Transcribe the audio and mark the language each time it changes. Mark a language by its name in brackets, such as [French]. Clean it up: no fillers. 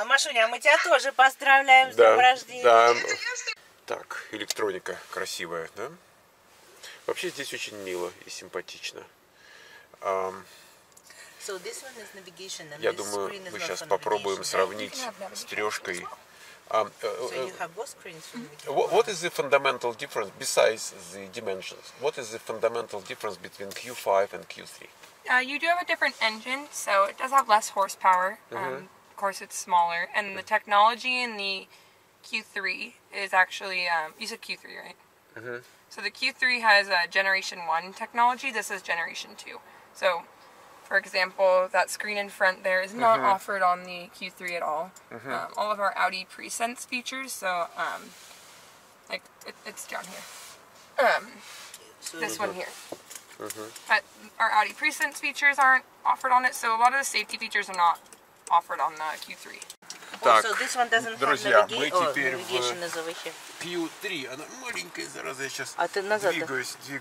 [Russian] А, Машуня, мы тебя тоже поздравляем с днем рождения. Да. Так, электроника красивая, да? Вообще здесь очень мило и симпатично. Я думаю, мы сейчас попробуем сравнить с трешкой. [English] What is the fundamental difference besides the dimensions? What is the fundamental difference between Q5 and Q3? You do have a different engine, so it does have less horsepower. Mm-hmm. Of course, it's smaller. And the technology in the Q3 is actually... you said Q3, right? Mm-hmm. So the Q3 has a Generation 1 technology. This is Generation 2. So, for example, that screen in front there is not mm-hmm. offered on the Q3 at all. Mm-hmm. All of our Audi Presense features, so... it's down here. This mm-hmm. one here. Mm-hmm. But our Audi Presense features aren't offered on it, so a lot of the safety features are not offered on the Q3. [Russian] Так, [English] so this one doesn't [Russian] друзья, [English] have navigation. [Russian] Мы теперь в Q3. Она маленькая, зараза, я сейчас двигаюсь.